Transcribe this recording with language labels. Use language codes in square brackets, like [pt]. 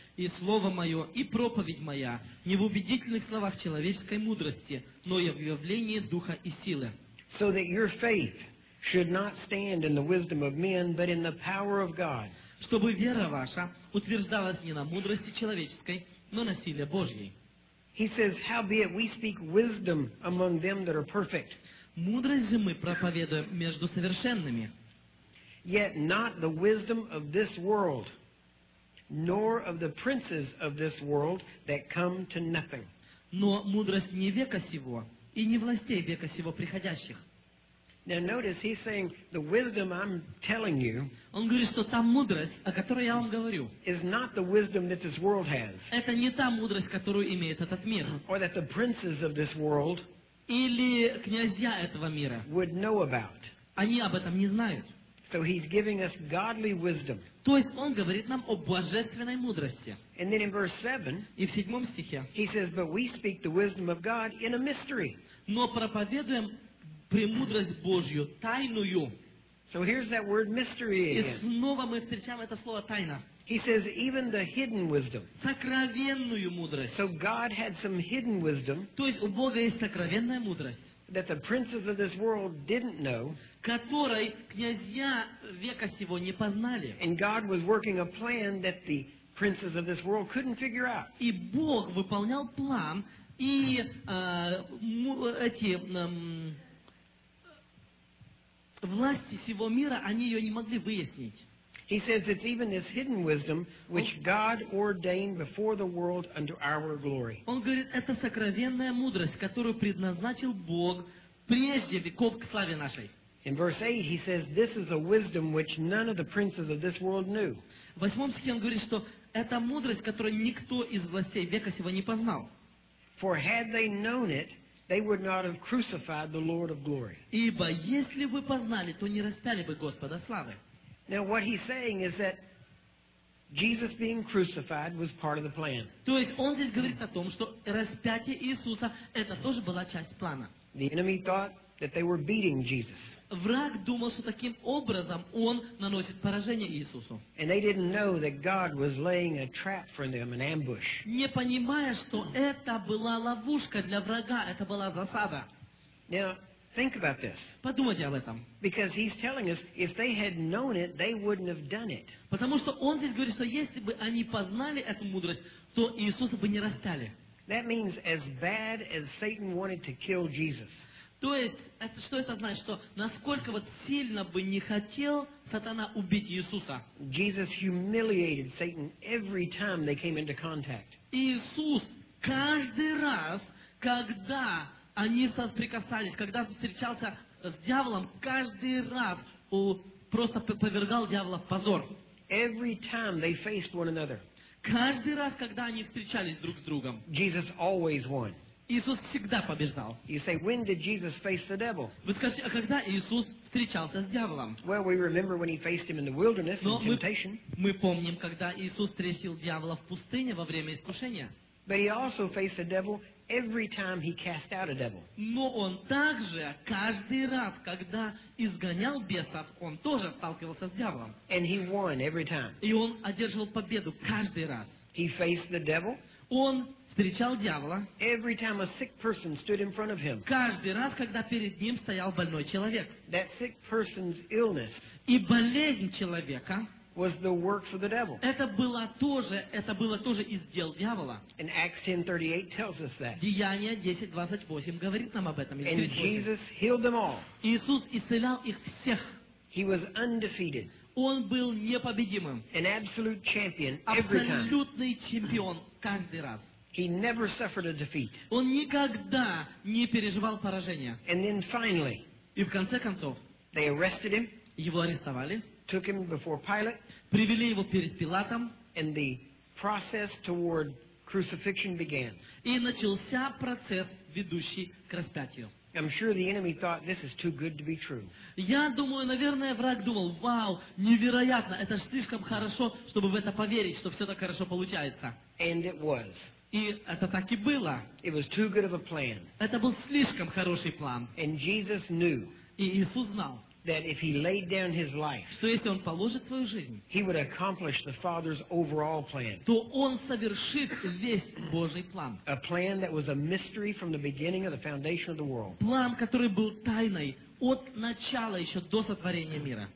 [ru] И слово мое и проповедь моя не в убедительных словах человеческой мудрости, но в явлении духа и силы. [en] So that your faith should not stand in the wisdom of men, but in the power of God. [ru] Чтобы вера ваша утверждалась не на мудрости человеческой, но на силе Божьей. [en] He says, "Howbeit we speak wisdom among them that are perfect." [ru] Мудрость же мы проповедуем между совершенными. [en] Yet not the wisdom of this world, nor of the princes of this world that come to nothing. [ru] Но мудрость не века сего и не властей века сего приходящих. [en] Now notice he's saying the wisdom I'm telling you. [ru] Он говорит, что та мудрость, о которой я вам говорю, [en] is not the wisdom that this world has. [ru] Это не та мудрость, которую имеет этот мир. [en] Or that the princes of this world [ru] или князья этого мира [en] would know about. [ru] Они об этом не знают. [en] So he's giving us godly wisdom. [ru] То есть он говорит нам о божественной мудрости. [en] And then in verse 7, [ru] и в седьмом стихе, [en] he says, "But we speak the wisdom of God in a mystery." [ru] Но проповедуем премудрость Божью, тайную. [en] So here's that word mystery again. [ru] И снова мы встречаем это слово тайна. [en] He says even the hidden wisdom. [ru] Сокровенную мудрость. [en] So God had some hidden wisdom. [ru] То есть у Бога есть сокровенная мудрость. [en] That the princes of this world didn't know, [ru] которой князья века сего не познали. [en] And God was working a plan that the princes of this world couldn't figure out. [ru] И Бог выполнял план, и власти сего мира, они ее не могли выяснить. [en] He says it's even this hidden wisdom which God ordained before the world unto our glory. [ru] Он говорит, это сокровенная мудрость, которую предназначил Бог прежде веков к славе нашей. [en] In verse 8 he says this is a wisdom which none of the princes of this world knew. [ru] В восьмом стихе он говорит, что это мудрость, которую никто из властей века сего не познал. [en] For had they known it, they would not have crucified the Lord of glory. [ru] Ибо если бы познали, то не распяли бы Господа славы. [en] Now what he's saying is that Jesus being crucified was part of the plan. [ru] То есть он здесь говорит о том, что распятие Иисуса это тоже была часть плана. [en] The enemy thought that they were beating Jesus. [ru] Враг думал, что таким образом он наносит поражение Иисусу. [en] And they didn't know that God was laying a trap for them, an ambush. [ru] Не понимая, что это была ловушка для врага, это была засада. [en] Now, think about this. [ru] Подумайте об этом. [en] Because he's telling us, if they had known it, they wouldn't have done it. [ru] Потому что он здесь говорит, что если бы они познали эту мудрость, то Иисуса бы не распяли. [en] That means as bad as Satan wanted to kill Jesus. [ru] То есть, это, что это значит, что насколько вот сильно бы не хотел сатана убить Иисуса. [en] Jesus humiliated Satan every time they came into contact. [ru] Иисус каждый раз, когда они соприкасались, когда встречался с дьяволом, каждый раз просто повергал дьявола в позор. [en] Every time they faced one another. [ru] Каждый раз, когда они встречались друг с другом. [en] Jesus always won. [ru] Иисус всегда побеждал. [en] You say, when did Jesus face the devil? [ru] Вы скажете, а когда Иисус встречался с дьяволом? [en] Well, we remember when he faced him in the wilderness, in temptation. [ru] Мы помним, когда Иисус встретил дьявола в пустыне во время искушения. [en] But he also faced the devil every time he cast out a devil. [ru] Но он также каждый раз, когда изгонял бесов, он тоже сталкивался с дьяволом. [en] And he won every time. [ru] И он одерживал победу каждый раз. [en] He faced the devil. [ru] Он встречал дьявола. [en] Every time a sick person stood in front of him. [ru] Каждый раз, когда перед ним стоял больной человек. [en] That sick person's illness. [ru] И болезнь человека. [en] Was the work of the devil. [ru] Это было тоже из дел дьявола. [en] And Acts 10:38 tells us that. [ru] Деяния 10:28 говорит нам об этом. [en] And Jesus healed them all. [ru] Иисус исцелял их всех. [en] He was undefeated. [ru] Он был непобедимым. [en] An absolute champion every time. [ru] Абсолютный чемпион каждый раз. [en] He never suffered a defeat. [ru] Он никогда не переживал поражения. [en] And then finally, [ru] и в конце концов, [en] they arrested him. [ru] Его арестовали. [en] Took him before Pilate. [ru] Привели его перед Пилатом. [en] And the process toward crucifixion began. [ru] И начался процесс, ведущий к распятию. [en] I'm sure the enemy thought this is too good to be true. [ru] Я думаю, наверное, враг думал: "Вау, невероятно, это ж слишком хорошо, чтобы в это поверить, что всё так хорошо получается". [en] And it was. [ru] И это так и было. [en] It was too good of a plan. [ru] Это был слишком хороший план. [en] And Jesus knew. [ru] И Иисус знал. [en] That if he laid down his life, [ru] что если он положит свою жизнь, [en] he would accomplish the Father's overall plan. [ru] То он совершит весь Божий план. [en] A plan that was a mystery from the beginning of the foundation of the world. [ru] План, который был тайной от начала еще до сотворения мира.